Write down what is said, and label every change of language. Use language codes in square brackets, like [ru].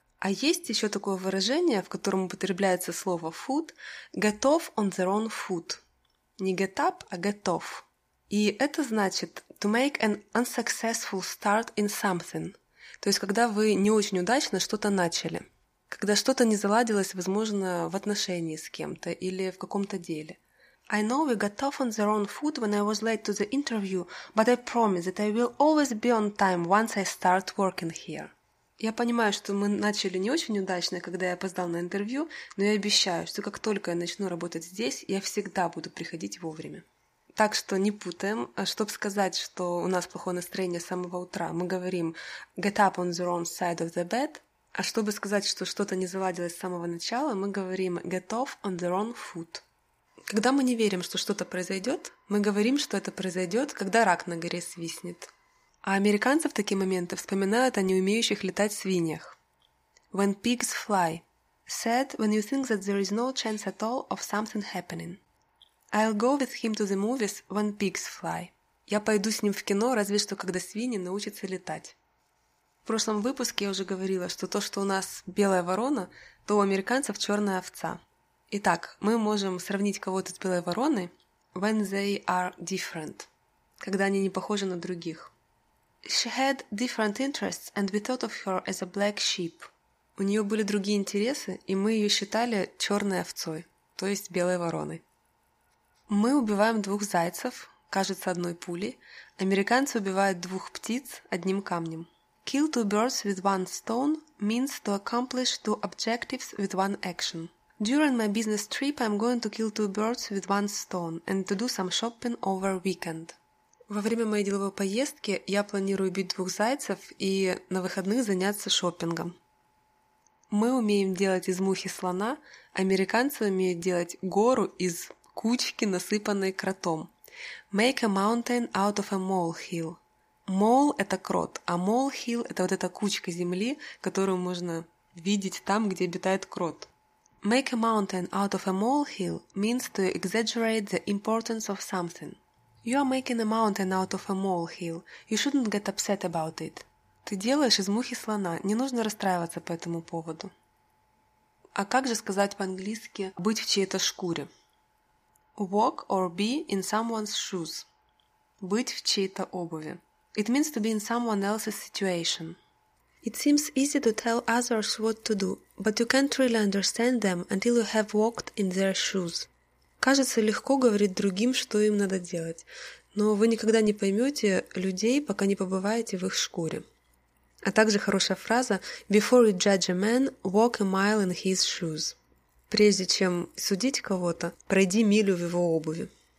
[ru] А есть еще такое выражение, в котором употребляется слово food – [en] get off on the wrong foot. [ru] Не [en] get up, [ru] а [en] get off. [ru] И это значит [en] to make an unsuccessful start in something. [ru] То есть, когда вы не очень удачно что-то начали. Когда что-то не заладилось, возможно, в отношении с кем-то или в каком-то деле. [en] I know we got off on the wrong foot when I was late to the interview, but I promise that I will always be on time once I start working here. [ru] Я понимаю, что мы начали не очень удачно, когда я опоздал на интервью, но я обещаю, что как только я начну работать здесь, я всегда буду приходить вовремя. Так что не путаем. Чтобы сказать, что у нас плохое настроение с самого утра, мы говорим [en] get up on the wrong side of the bed, [ru] а чтобы сказать, что что-то не заладилось с самого начала, мы говорим [en] get off on the wrong foot. [ru] Когда мы не верим, что что-то произойдет, мы говорим, что это произойдет, когда рак на горе свистнет. А американцы в такие моменты вспоминают о неумеющих летать свиньях. [en] When pigs fly. Said when you think that there is no chance at all of something happening. I'll go with him to the movies when pigs fly. [ru] Я пойду с ним в кино, разве что когда свиньи научатся летать. В прошлом выпуске я уже говорила, что то, что у нас белая ворона, то у американцев черная овца. Итак, мы можем сравнить кого-то с белой вороной [en] when they are different, [ru] когда они не похожи на других. [en] She had different interests and we thought of her as a black sheep. [ru] У нее были другие интересы, и мы ее считали черной овцой, то есть белой вороной. Мы убиваем двух зайцев, кажется, одной пулей. Американцы убивают двух птиц одним камнем. [en] Kill two birds with one stone means to accomplish two objectives with one action. During my business trip, I'm going to kill two birds with one stone and to do some shopping over weekend. [ru] Во время моей деловой поездки я планирую убить двух зайцев и на выходных заняться шопингом. Мы умеем делать из мухи слона, американцы умеют делать гору из кучки, насыпанной кротом. [en] Make a mountain out of a molehill. [ru] Mole – это крот, а molehill – это вот эта кучка земли, которую можно видеть там, где обитает крот. [en] Make a mountain out of a molehill means to exaggerate the importance of something. You are making a mountain out of a molehill. You shouldn't get upset about it. [ru] Ты делаешь из мухи слона. Не нужно расстраиваться по этому поводу. А как же сказать по-английски «быть в чьей-то шкуре»? [en] Walk or be in someone's shoes. [ru] Быть в чьей-то обуви. [en] It means to be in someone else's situation. It seems easy to tell others what to do, but you can't really understand them until you have walked in their shoes. [ru] Кажется легко говорить другим, что им надо делать, но вы никогда не поймете людей, пока не побываете в их шкуре. А также хорошая фраза [en] «Before you judge a man, walk a mile in his shoes». [ru] Прежде чем судить кого-то, пройди милю в его обуви.